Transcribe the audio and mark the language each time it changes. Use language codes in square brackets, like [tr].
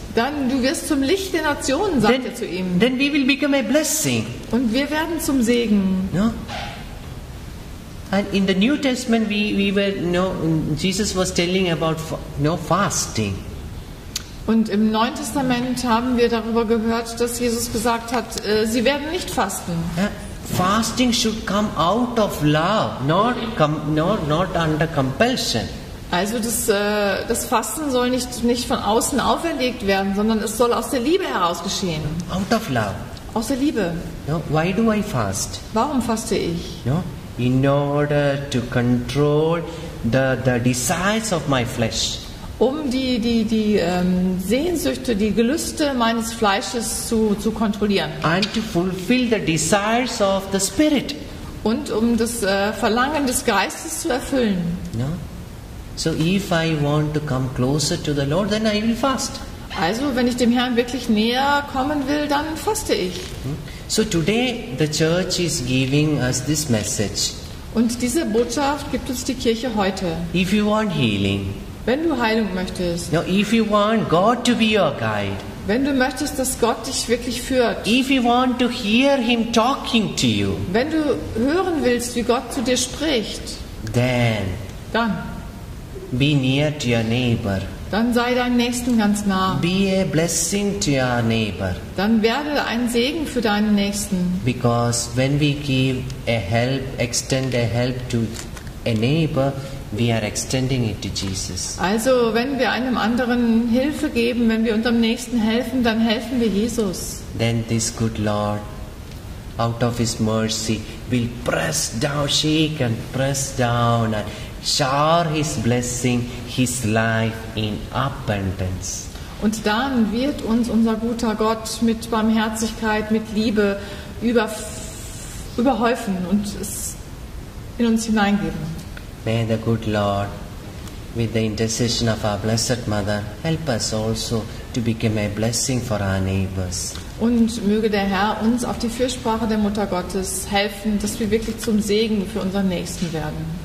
[de] Dann du wirst zum Licht der Nationen, sagt er zu ihm. [en] Then we will become a blessing. [de] Und wir werden zum Segen. No? [en] And in the New Testament we were, no, Jesus was telling about no fasting. [de] Und im Neuen Testament haben wir darüber gehört, dass Jesus gesagt hat, sie werden nicht fasten. Yeah. [en] Fasting should come out of love, not under compulsion. [de] Also das Fasten soll nicht von außen auferlegt werden, sondern es soll aus der Liebe heraus geschehen. [en] Out of love. [de] Aus der Liebe. [en] No, why do I fast? [de] Warum faste ich? [en] No, in order to control the desires of my flesh. [de] Um die Sehnsüchte, die Gelüste meines Fleisches zu kontrollieren. [en] And to fulfill the desires of the spirit. [de] Und um das Verlangen des Geistes zu erfüllen. No? [en] So if I want to come closer to the Lord, then I will fast. [de] Also, wenn ich dem Herrn wirklich näher kommen will, dann faste ich. [en] So today the church is giving us this message. [de] Und diese Botschaft gibt uns die Kirche heute. [en] If you want healing. [de] Wenn du Heilung möchtest. [en] No, if you want God to be your guide. [de] Wenn du möchtest, dass Gott dich wirklich führt. [en] If you want to hear him talking to you. [de] Wenn du hören willst, wie Gott zu dir spricht. [en] Then. [de] Dann. [en] Be near to your neighbor. [de] Dann sei deinem Nächsten ganz nah. [en] Be a blessing to your neighbor. [de] Dann werde ein Segen für deinen Nächsten. [en] Because when we give a help, extend a help to a neighbor, we are extending it to Jesus. [de] Also, wenn wir einem anderen Hilfe geben, wenn wir unserem Nächsten helfen, dann helfen wir Jesus. [en] Then this good Lord, out of his mercy, will press down, shake and press down and shower his blessing, his life in abundance. [de] Und dann wird uns unser guter Gott mit Barmherzigkeit, mit Liebe überhäufen und es in uns hineingeben. [en] May the good Lord, with the intercession of our blessed mother, help us also to become a blessing for our neighbors. [de] Und möge der Herr uns auf die Fürsprache der Mutter Gottes helfen, dass wir wirklich zum Segen für unseren Nächsten werden.